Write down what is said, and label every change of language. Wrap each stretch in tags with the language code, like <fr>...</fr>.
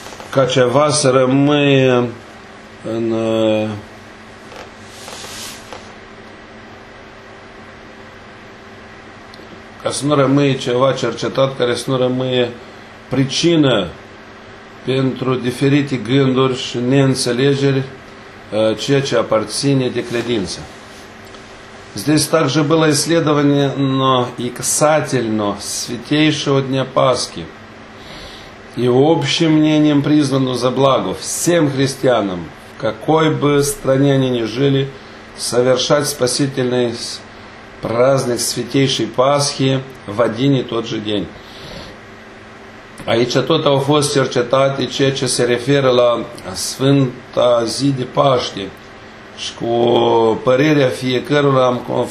<ro>ca ceva să rămâie în ca să nu rămâie ceva cercetat, care să nu rămâie pricină pentru diferite gânduri și neînțelegeri ceea ce aparține de credință.</ro> <ru>Здесь также было исследование, но и касательно святейшего дня Пасхи и общим мнением признано за благо всем христианам, в какой бы стране они ни жили, совершать спасительный праздник святейшей Пасхи в один и тот же день.</ru> <ro>Aici tot au fost cercetate ceea ce se referă la Sfânta Zi de Paște și cu părerea fiecărora</ro>